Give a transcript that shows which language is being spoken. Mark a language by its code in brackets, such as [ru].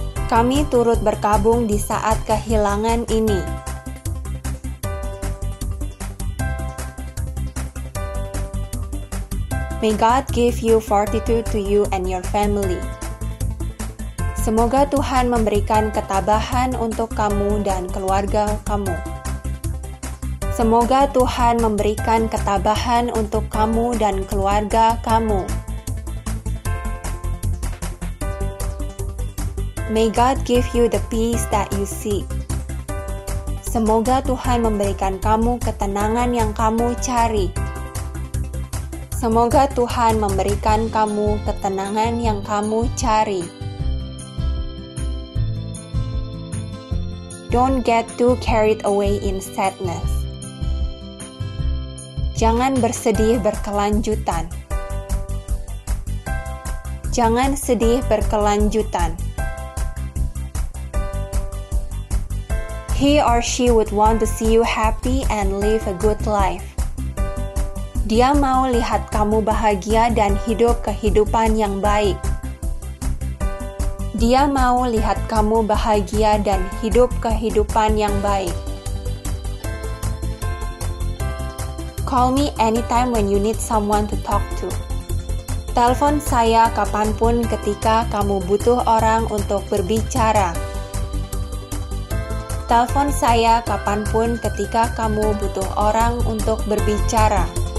[id] Kami turut berkabung di saat kehilangan ini. [en] May God give you fortitude to you and your family. [id] Semoga Tuhan memberikan ketabahan untuk kamu dan keluarga kamu. Semoga Tuhan memberikan ketabahan untuk kamu dan keluarga kamu. [en] May God give you the peace that you seek. [id] Semoga Tuhan memberikan kamu ketenangan yang kamu cari. Semoga Tuhan memberikan kamu ketenangan yang kamu cari. [en] Don't get too carried away in sadness. [id] Jangan bersedih berkelanjutan. Jangan sedih berkelanjutan. [en] He or she would want to see you happy and live a good life. [id] Dia mau lihat kamu bahagia dan hidup kehidupan yang baik. Dia mau lihat kamu bahagia dan hidup kehidupan yang baik. [en] Call me anytime when you need someone to talk to. [id] Telepon saya kapanpun ketika kamu butuh orang untuk berbicara. Telepon saya kapanpun ketika kamu butuh orang untuk berbicara.